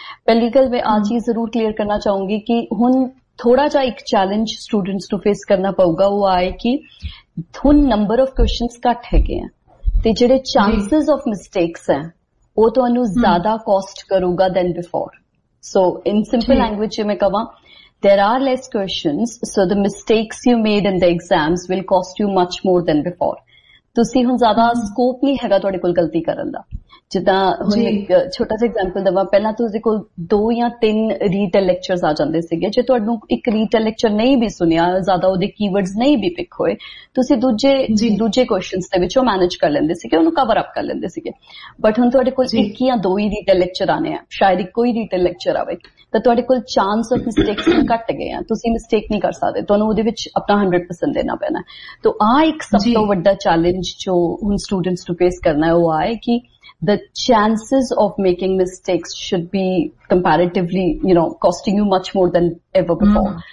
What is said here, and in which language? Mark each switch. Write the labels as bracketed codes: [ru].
[pa] ਪਹਿਲੀ ਗੱਲ ਮੈਂ ਆਹ ਚੀਜ਼ ਜ਼ਰੂਰ ਕਲੀਅਰ ਕਰਨਾ ਚਾਹੂੰਗੀ ਕਿ ਹੁਣ ਥੋੜਾ ਜਿਹਾ ਇੱਕ ਚੈਲੰਜ ਸਟੂਡੈਂਟਸ ਨੂੰ ਫੇਸ ਕਰਨਾ ਪਊਗਾ, ਉਹ ਆਏ ਕਿ ਹੁਣ ਨੰਬਰ ਆਫ ਕੁਸ਼ਚਨ ਘੱਟ ਹੈਗੇ ਆ ਤੇ ਜਿਹੜੇ ਚਾਂਸਿਸ ਆਫ ਮਿਸਟੇਕਸ ਹੈ ਉਹ ਤੁਹਾਨੂੰ ਜ਼ਿਆਦਾ ਕੋਸਟ ਕਰੂਗਾ ਦੈਨ ਬਿਫੋਰ। [en] so in simple language [pa] ਜੇ ਮੈਂ ਕਵਾਂ, [en] there are less questions, so the mistakes you made in the exams will cost you much more than before. [pa] ਤੁਸੀਂ ਹੁਣ ਜ਼ਿਆਦਾ ਸਕੋਪ ਨਹੀਂ ਹੈਗਾ ਤੁਹਾਡੇ ਕੋਲ ਗਲਤੀ ਕਰਨ ਦਾ। ਜਿੱਦਾਂ ਹੁਣ ਇੱਕ ਛੋਟਾ ਜਿਹਾ ਐਗਜ਼ਾਮਪਲ ਦਵਾਂ, ਪਹਿਲਾਂ ਤੁਸੀਂ ਕੋਲ 2 ਜਾਂ 3 ਰੀਟੇਲ ਲੈਕਚਰ ਆ ਜਾਂਦੇ ਸੀਗੇ, ਜੇ ਤੁਹਾਨੂੰ ਇੱਕ ਰੀਟੇਲ ਲੈਕਚਰ ਨਹੀਂ ਵੀ ਸੁਣਿਆ, ਜ਼ਿਆਦਾ ਉਹਦੇ ਕੀਵਰਡਸ ਨਹੀਂ ਵੀ ਪਿੱਕ ਹੋਏ, ਤੁਸੀਂ ਦੂਜੇ ਕੁਸ਼ਚਨ ਦੇ ਵਿੱਚ ਉਹ ਮੈਨੇਜ ਕਰ ਲੈਂਦੇ ਸੀਗੇ, ਉਹਨੂੰ ਕਵਰ ਅਪ ਕਰ ਲੈਂਦੇ ਸੀਗੇ। ਬਟ ਹੁਣ ਤੁਹਾਡੇ ਕੋਲ 1 ਜਾਂ 2 ਰੀਟੇਲ ਲੈਕਚਰ ਆਨੇ ਆ, ਸ਼ਾਇਦ ਇੱਕੋ ਹੀ ਰੀਟੇਲ ਲੈਕਚਰ ਆਵੇ, ਤਾਂ ਤੁਹਾਡੇ ਕੋਲ ਚਾਂਸ ਆਫ ਮਿਸਟੇਕਸ ਘੱਟ ਗਏ ਆ, ਤੁਸੀਂ ਮਿਸਟੇਕ ਨਹੀਂ ਕਰ ਸਕਦੇ, ਤੁਹਾਨੂੰ ਉਹਦੇ ਵਿੱਚ ਆਪਣਾ 100% ਦੇਣਾ ਪੈਣਾ। ਤੋ ਆਹ ਇੱਕ ਸਭ ਤੋਂ ਵੱਡਾ ਚੈਲੰਜ ਜੋ ਹੁਣ ਸਟੂਡੈਂਟਸ ਨੂੰ ਫੇਸ ਕਰਨਾ ਉਹ ਆਏ ਕਿ [en] the chances of making mistakes should be comparatively, you know, costing you much more than ever before.